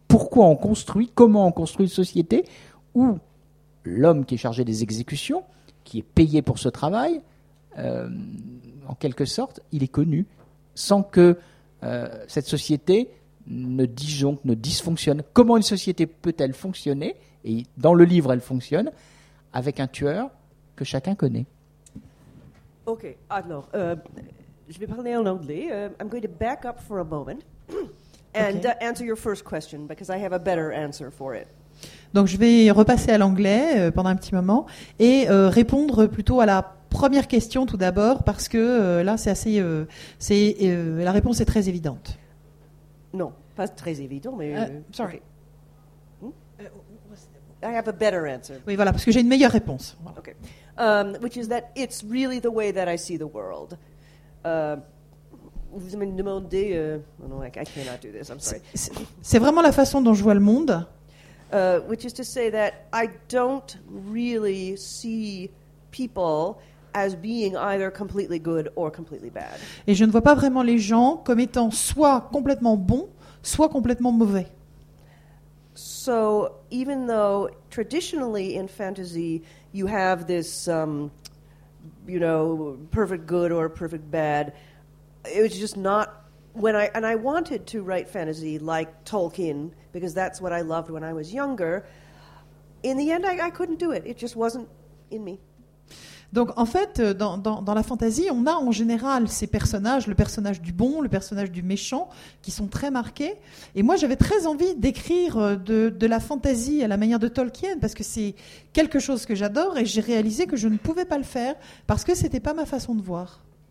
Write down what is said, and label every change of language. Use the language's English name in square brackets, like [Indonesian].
[French] Pourquoi on construit ? Comment on construit une société où l'homme qui est chargé des exécutions, qui est payé pour ce travail, en quelque sorte, il est connu sans que cette société ne disjoncte, ne dysfonctionne ? Comment une société peut-elle fonctionner ? Et dans le livre, elle fonctionne avec un tueur que chacun connaît. Ok, alors, je vais parler en anglais. [English] I'm going to back up for a moment and okay. Answer your first question because I have a better answer for it. [French] Donc, je vais repasser à l'anglais pendant un petit moment et répondre plutôt à la première question tout d'abord parce que là, c'est assez. La réponse est très évidente. Non, pas très évident, mais. [English] Sorry. I have a better answer. [French] Oui, voilà, parce que j'ai une meilleure réponse. Voilà. [English] Okay. Which is that it's really the way that I see the world. [French] Vous me demandez... [English] I cannot do this, I'm sorry. [French] C'est vraiment la façon dont je vois le monde. [English] Which is to say that I don't really see people as being either completely good or completely bad. [French] Et je ne vois pas vraiment les gens comme étant soit complètement bons, soit complètement mauvais. [English] So, even though traditionally in fantasy you have this, perfect good or perfect bad, it was just not when I wanted to write fantasy like Tolkien because that's what I loved when I was younger. In the end, I couldn't do it. It just wasn't in me. [French] Donc, en fait, dans la fantasy, on a en général ces personnages, le personnage du bon, le personnage du méchant, qui sont très marqués. Et moi, j'avais très envie d'écrire de la fantasy à la manière de Tolkien, parce que c'est quelque chose que j'adore, et j'ai réalisé que je ne pouvais pas le faire, parce que ce n'était pas ma façon de voir.